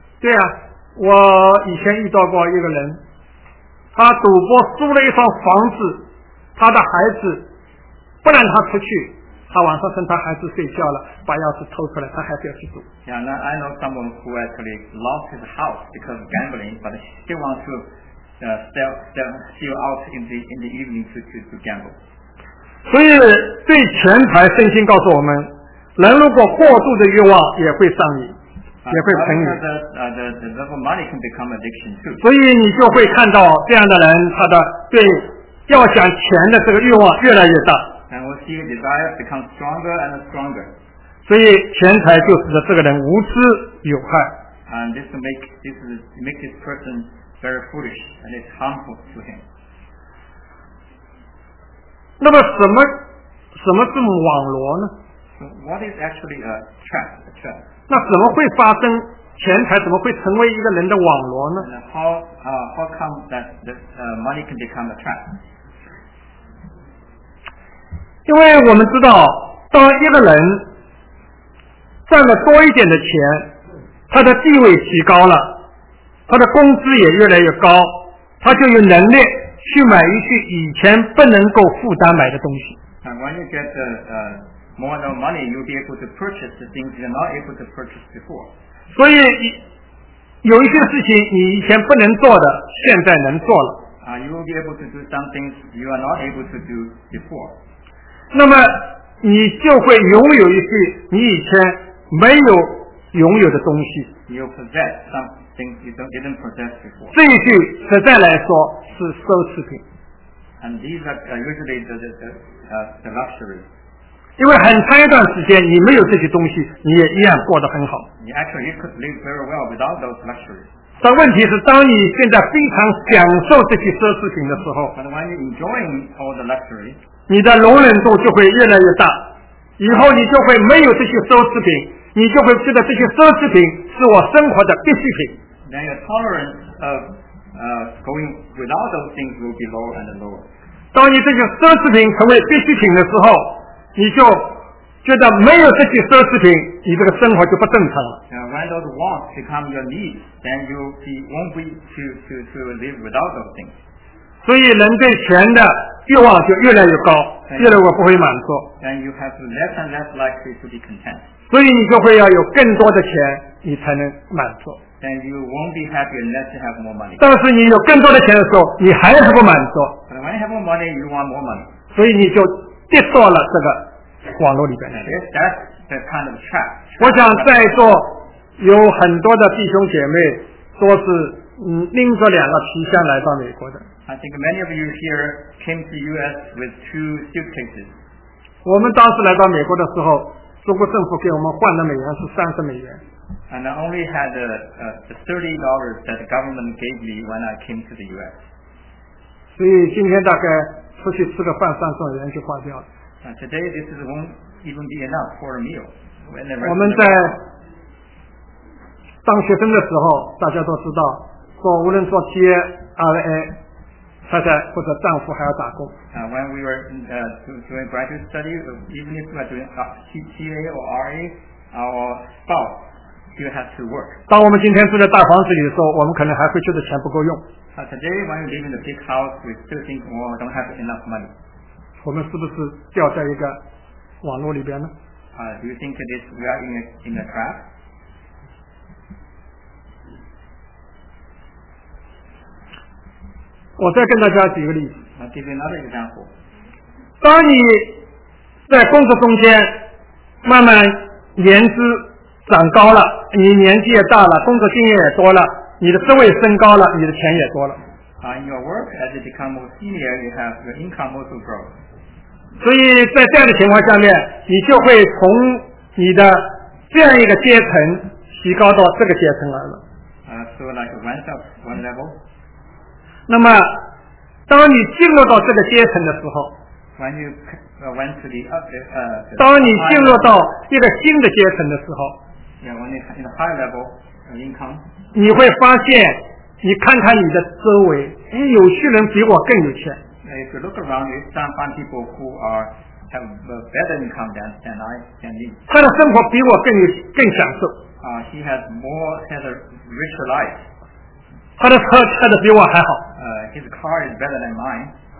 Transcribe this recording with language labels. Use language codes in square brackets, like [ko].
[zh] 对啊，我以前遇到过一个人，他赌博输了一套房子，他的孩子不让他出去。他晚上趁他孩子睡觉了，把钥匙偷出来，他还是要去赌。 [en] Yeah, now I know someone who actually lost his house because of gambling, but still wants to still out in the evening to gamble. [zh] 所以对钱财，圣经告诉我们，人如果过度的欲望也会上瘾，也会成瘾。 [en] The love of money can become addiction too. [zh] 所以你就会看到这样的人，他的对要想钱的这个欲望越来越大。 [en] And we'll see desire become stronger and stronger. [zh] 所以钱财就使得这个人无知有害。 [en] And this will make this person very foolish and it's harmful to him. [zh] 那么什么是网罗呢？ [en] So what is actually a trap? [zh] 那怎么会发生钱财怎么会成为一个人的网罗呢？ [en] How come that money can become a trap? [zh] 因为我们知道，当一个人赚了多一点的钱，他的地位提高了，他的工资也越来越高，他就有能力去买一些以前不能够负担买的东西。 [en] And when you get more and more money, you'll be able to purchase the things you're not able to purchase before. [zh] 所以有一些事情你以前不能做的，现在能做了。 [en] You will be able to do some things you are not able to do before. [zh] 那么你就会拥有一些你以前没有拥有的东西。 [en] You possess some things you didn't possess before. [zh] 这一句实在来说是奢侈品。 [en] And these are usually the luxury. [zh] 因为很长一段时间你没有这些东西，你也依然过得很好。 [en] Actually, you could live very well without those luxuries. [zh] 但问题是，当你现在非常享受这些奢侈品的时候 [en] ，But when you're enjoying all the luxury, [zh] 你的容忍度就会越来越大，以后你就会没有这些奢侈品，你就会觉得这些奢侈品是我生活的必需品。 [en] Then your tolerance of going without those things will be lower and lower. [zh] 当你这些奢侈品成为必需品的时候，你就觉得没有这些奢侈品，你这个生活就不正常了。 [en] Now, when those wants become your needs, then you won't be to live without those things. [zh] 所以人对钱的欲望就越来越高， [en] and、 [zh] 越来越不会满足。 [en] Then you have less and less likely to be content. [zh] 所以你就会要有更多的钱，你才能满足。 [en] Then you won't be happy unless you have more money. [zh] 但是你有更多的钱的时候，你还是不满足。 [en] But when you have more money, you want more money. [zh] 所以你就跌到了这个网络里边。 [en] That's the kind of trap. [zh] 我想在座有很多的弟兄姐妹都是拎着两个皮箱来到美国的。 [en] I think many of you here came to US with two suitcases. [zh] 我们当时来到美国的时候，中国政府给我们换的美元是30美元。 [en] And I only had the $30 that the government gave me when I came to the US. [zh] 所以今天大概出去吃个饭300美元就花掉了。 [en] And today this is won't even be enough for a meal. [zh] 我们在当学生的时候，大家都知道，说无论做 TA、RA 太太或者丈夫还要打工。 [en] When we were doing graduate study, even if we are doing TA or RA, our spouse still has to work. [zh] 当我们今天住在大房子里的时候，我们可能还会觉得钱不够用。 [en] Today, when we live in a big house, we still think we don't have enough money. [zh] 我们是不是掉在一个网络里边呢？ [en] Do you think this we are in a trap? [zh] 我再跟大家举个例子。 [en] I'll give you another example. [zh] 当你在工作中间慢慢年资长高了，你年纪也大了，工作经验也多了，你的职位升高了，你的钱也多了。 [en] In your work, as you become more senior, you have your income also grows. [zh] 所以在这样的情况下面，你就会从你的这样一个阶层提高到这个阶层来了。 [en] So like went up one level. [zh] 那么当你进入到这个阶层的时候， [en] when you went to the upper, [zh] 当你进入到一个新的阶层的时候， [en] yeah, when you're in a high level of income, [zh] 你会发现你看看你的周围，有些人比我更有钱。 [en] If you look around, you find people who have a better income than I can live. [zh] 他的生活比我更享受。 [en] He has a richer life. [zh] 他的车开的比我还好。 [en] His car is better than mine.